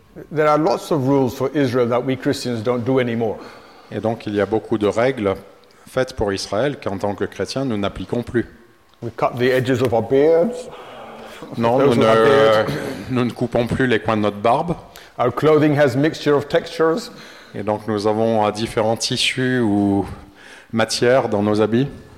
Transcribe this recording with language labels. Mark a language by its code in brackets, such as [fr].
[en] There are lots of rules for Israel that we Christians don't do anymore. [fr] Et donc il y a beaucoup de règles faites pour Israël qu'en tant que chrétiens nous n'appliquons plus. [en] We cut the edges of our beards. [fr] Non, nous ne coupons plus les coins de notre barbe. [en] Our clothing has mixture of textures. [fr] Et donc nous avons différents tissus ou matières dans nos habits.